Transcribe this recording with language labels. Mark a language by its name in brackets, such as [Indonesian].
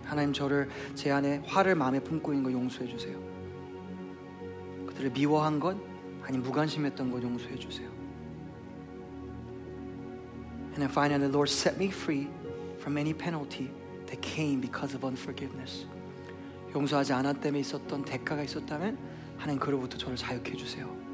[Korean] 하나님 저를 제 안에 화를 마음에 품고 있는 거 용서해 주세요. 그들을 미워한 것 아니 무관심했던 것 용서해 주세요. [English] And then finally, Lord, set me free from any penalty that came because of unforgiveness. [Korean] 용서하지 않아 때문에 있었던 대가가 있었다면 하나님 그로부터 저를 자유케 해주세요.